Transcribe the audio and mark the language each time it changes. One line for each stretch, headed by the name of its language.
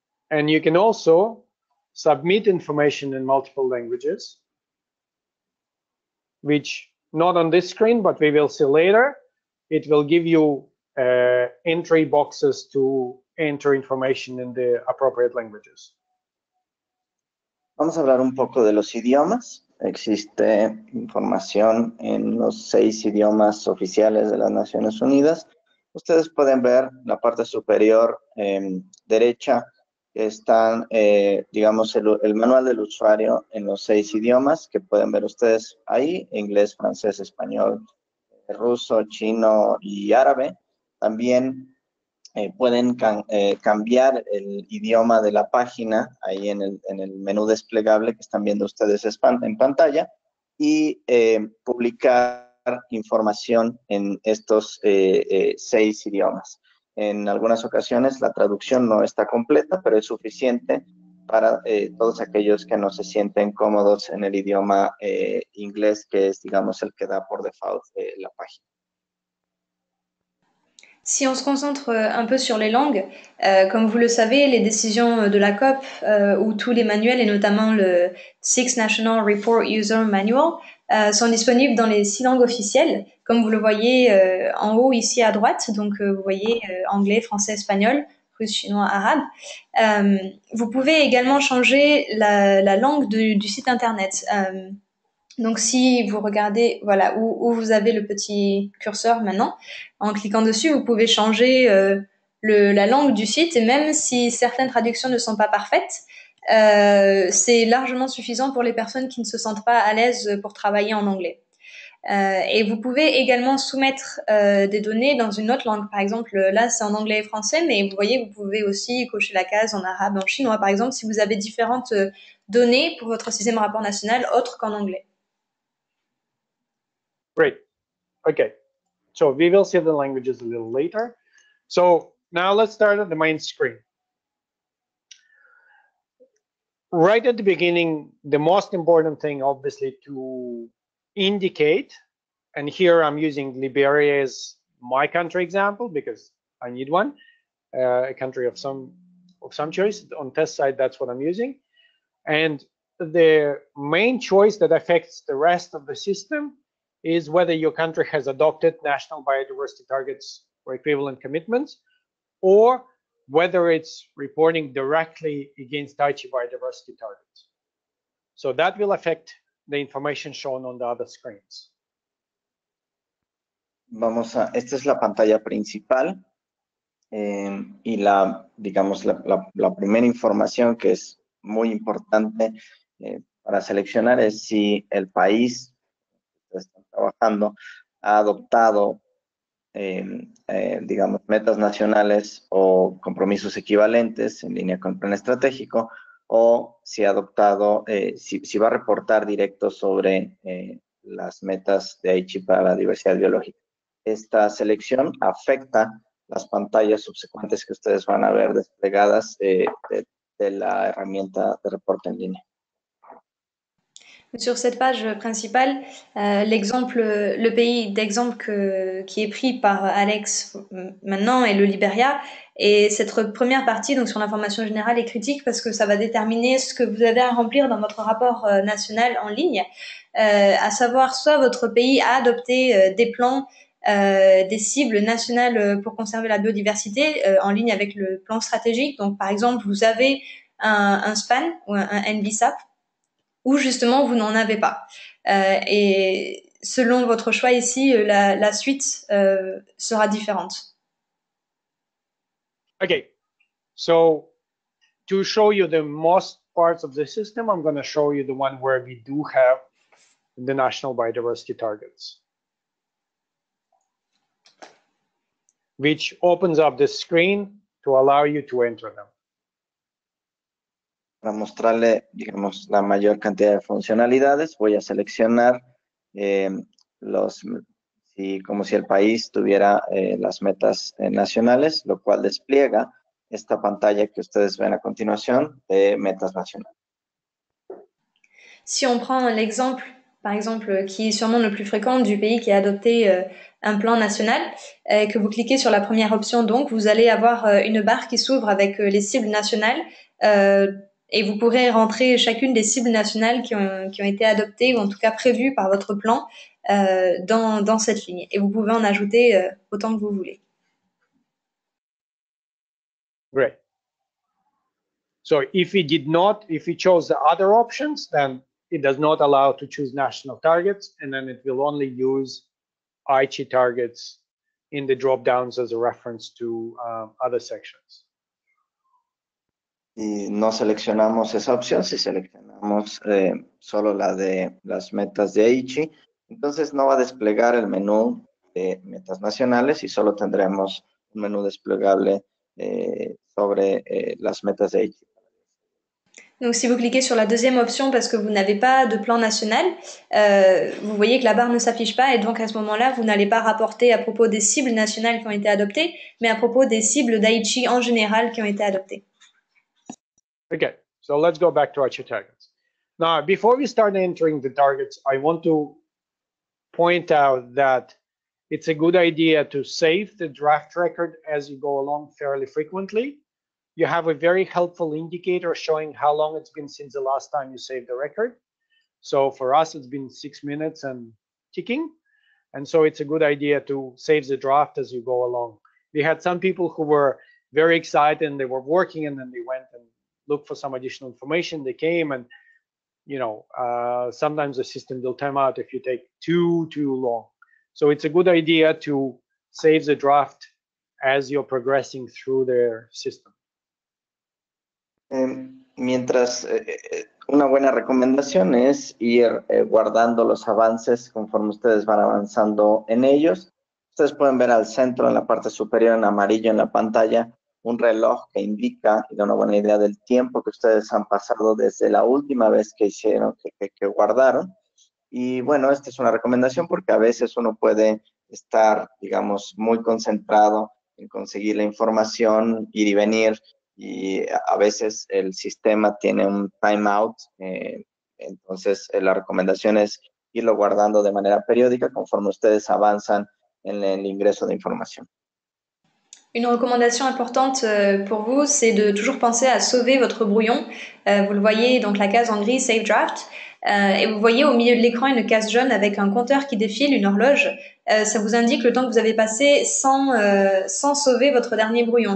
English: And you can also submit information in multiple languages, which not on this screen, but we will see later. It will give you entry boxes to enter information in the appropriate languages.
Spanish: Vamos a hablar un poco de los idiomas. Existe información en los 6 idiomas oficiales de las Naciones Unidas. Ustedes pueden ver la parte superior derecha, están, digamos, el manual del usuario en los 6 idiomas que pueden ver ustedes ahí, inglés, francés, español, ruso, chino y árabe. También pueden cambiar el idioma de la página ahí en el menú desplegable que están viendo ustedes en pantalla y publicar información en estos 6 idiomas. En algunas ocasiones la traducción no está completa, pero es suficiente para todos aquellos que no se sienten cómodos en el idioma inglés, que es, digamos, el que da por default la página.
French: Si on se concentre un peu sur les langues, comme vous le savez, les décisions de la COP ou tous les manuels, et notamment le Six National Report User Manual, sont disponibles dans les 6 langues officielles, comme vous le voyez en haut ici à droite, donc vous voyez anglais, français, espagnol, russe, chinois, arabe. Vous pouvez également changer la langue du site internet. Donc si vous regardez, voilà, où vous avez le petit curseur maintenant, en cliquant dessus, vous pouvez changer la langue du site, et même si certaines traductions ne sont pas parfaites, c'est largement suffisant pour les personnes qui ne se sentent pas à l'aise pour travailler en anglais. Et vous pouvez également soumettre des données dans une autre langue. Par exemple, là, c'est en anglais et français, mais vous voyez, vous pouvez aussi cocher la case en arabe, en chinois, par exemple, si vous avez différentes données pour votre 6e rapport national autre qu'en anglais.
English: Great. Okay. So we will see the languages a little later. So now let's start at the main screen. Right at the beginning, the most important thing, obviously, to indicate, and here I'm using Liberia as my country example because I need one, a country of some choice. On test side, that's what I'm using. And the main choice that affects the rest of the system is whether your country has adopted national biodiversity targets or equivalent commitments, or whether it's reporting directly against Aichi biodiversity targets. So that will affect the information shown on the other screens.
Spanish: Vamos a, esta es la pantalla principal, y la, digamos, la primera información que es muy importante para seleccionar es si el país trabajando, ha adoptado, digamos, metas nacionales o compromisos equivalentes en línea con el plan estratégico, o si ha adoptado, si va a reportar directo sobre las metas de Aichi para la diversidad biológica. Esta selección afecta las pantallas subsecuentes que ustedes van a ver desplegadas de la herramienta de reporte en línea.
French: Sur cette page principale, l'exemple, le pays d'exemple qui est pris par Alex maintenant est le Liberia. Et cette première partie, donc sur l'information générale, est critique parce que ça va déterminer ce que vous avez à remplir dans votre rapport national en ligne. À savoir, soit votre pays a adopté des plans, des cibles nationales pour conserver la biodiversité en ligne avec le plan stratégique. Donc, par exemple, vous avez un SPAN ou un NBSAP. Ou justement, vous n'en avez pas. Et selon votre choix ici, la suite sera différente.
English: Okay. So, to show you the most parts of the system, I'm going to show you the one where we do have the national biodiversity targets, which opens up the screen to allow you to enter them.
Spanish: Para mostrarle, digamos, la mayor cantidad de funcionalidades, voy a seleccionar como si el país tuviera las metas nacionales, lo cual despliega esta pantalla que ustedes ven a continuación de metas nacionales.
French: Si on prend l'exemple, par exemple, qui est sûrement le plus fréquent du pays qui a adopté un plan national, que vous cliquez sur la première option, donc vous allez avoir une barre qui s'ouvre avec les cibles nationales. Et vous pourrez rentrer chacune des cibles nationales qui ont été adoptées ou en tout cas prévues par votre plan dans cette ligne. Et vous pouvez en ajouter autant que vous voulez.
English: Great. So if it did not, if it chose the other options, then it does not allow to choose national targets, and then it will only use Aichi targets in the drop downs as a reference to other sections.
Spanish: Y no seleccionamos esa opción, si seleccionamos solo la de las metas de Aichi, entonces no va a desplegar el menú de metas nacionales y solo tendremos un menú desplegable sobre las metas de Aichi.
French: Donc si vous cliquez sur la deuxième option parce que vous n'avez pas de plan national, vous voyez que la barre ne s'affiche pas et donc à ce moment-là, vous n'allez pas rapporter à propos des cibles nationales qui ont été adoptées, mais à propos des cibles d'Aichi en général qui ont été adoptées.
English: Okay, so let's go back to Aichi targets. Now, before we start entering the targets, I want to point out that it's a good idea to save the draft record as you go along fairly frequently. You have a very helpful indicator showing how long it's been since the last time you saved the record. So for us, it's been 6 minutes and ticking. And so it's a good idea to save the draft as you go along. We had some people who were very excited and they were working and then they went and looked for some additional information. They came and, you know, sometimes the system will time out if you take too long. So it's a good idea to save the draft as you're progressing through their system.
Spanish: Mientras una buena recomendación es ir guardando los avances conforme ustedes van avanzando en ellos. Ustedes pueden ver al centro, en la parte superior, en amarillo en la pantalla, un reloj que indica y da una buena idea del tiempo que ustedes han pasado desde la última vez que hicieron, que guardaron. Y bueno, esta es una recomendación porque a veces uno puede estar, digamos, muy concentrado en conseguir la información, ir y venir. Y a veces el sistema tiene un timeout, entonces la recomendación es irlo guardando de manera periódica conforme ustedes avanzan en el ingreso de información.
French: Une recommandation importante pour vous, c'est de toujours penser à sauver votre brouillon. Vous le voyez, donc la case en gris, Save Draft. Et vous voyez au milieu de l'écran une case jaune avec un compteur qui défile, une horloge. Ça vous indique le temps que vous avez passé sans sauver votre dernier brouillon.